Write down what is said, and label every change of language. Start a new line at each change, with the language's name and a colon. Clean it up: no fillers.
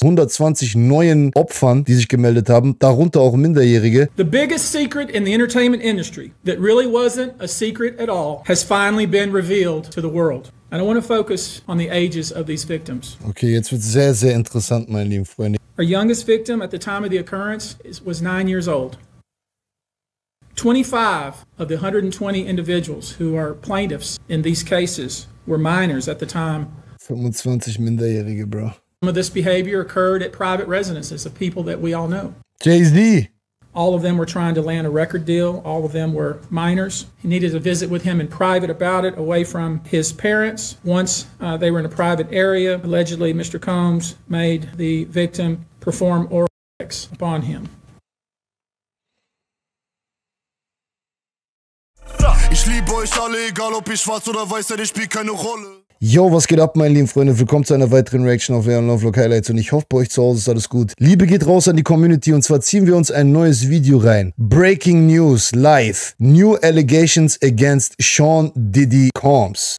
German: 120 neuen Opfern, die sich gemeldet haben, darunter auch Minderjährige.
English: The biggest secret in the entertainment industry that really wasn't a secret at all has finally been revealed to the world. And I want to focus on the ages of these victims.
German: Okay, jetzt wird sehr, sehr interessant, meine lieben Freunde.
English: Our youngest victim at the time of the occurrence was 9 years old. 25 of the 120 individuals who are plaintiffs in these cases were minors at the time.
German: 25 Minderjährige, bro.
English: Some of this behavior occurred at private residences of people that we all know. Jay-Z. All of them were trying to land a record deal. All of them were minors. He needed to visit with him in private about it, away from his parents. Once they were in a private area, allegedly Mr. Combs made the victim perform oral sex upon him.
German: Ich liebe euch alle, egal ob ich schwarz oder weiß, denn ich spiel keine Rolle. Yo, was geht ab, meine lieben Freunde? Willkommen zu einer weiteren Reaction auf euren Lovelock Highlights und ich hoffe, bei euch zu Hause ist alles gut. Liebe geht raus an die Community und zwar ziehen wir uns ein neues Video rein.
English: Breaking News live. New allegations against Sean Diddy Combs.